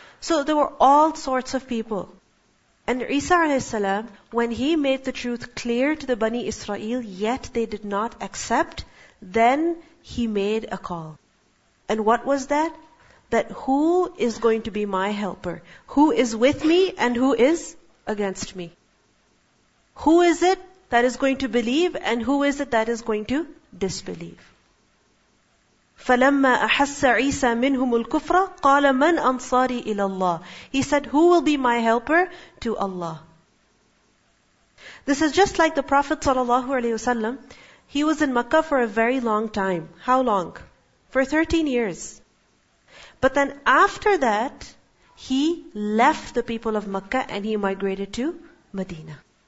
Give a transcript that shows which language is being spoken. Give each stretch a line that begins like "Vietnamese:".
English: So there were all sorts of people. And Isa alayhi salam, when he made the truth clear to the Bani Israel, yet they did not accept, then he made a call. And what was that? That who is going to be my helper? Who is with me and who is against me? Who is it that is going to believe and who is it that is going to disbelieve?
Arabic: فَلَمَّا أَحَسَّ عِيسَى مِنْهُمُ الْكُفْرَ قَالَ مَنْ أَنصَارِي إِلَى اللَّهِ.
English: He said, who will be my helper? To Allah. This is just like the Prophet ﷺ. He was in Makkah for a very long time. How long? For 13 years. But then after that, he left the people of Makkah and he migrated to Medina.